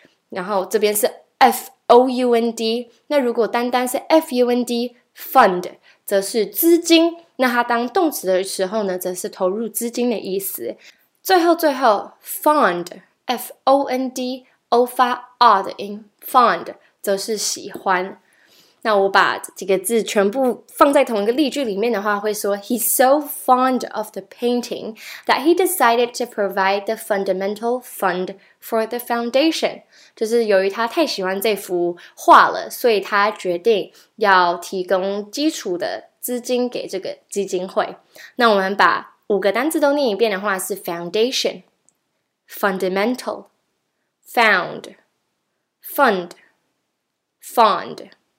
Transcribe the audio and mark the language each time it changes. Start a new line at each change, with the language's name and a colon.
Chinese: 然后这边是 found。那如果单单是 fund fund， 则是资金。那它当动词的时候呢，则是投入资金的意思。最后 ，fond，F-O-N-D， 欧发 R 的音 ，fond 则是喜欢。那我把几个字全部放在同一个例句里面的话，会说
English: ，He's so fond of the painting that he decided to provide the fundamental fund for the foundation。
Chinese: 就是由于他太喜欢这幅画了，所以他决定要提供基础的资金给这个基金会。那我们把五个单字都念一遍的话是 foundation, fundamental, found, fund, fond。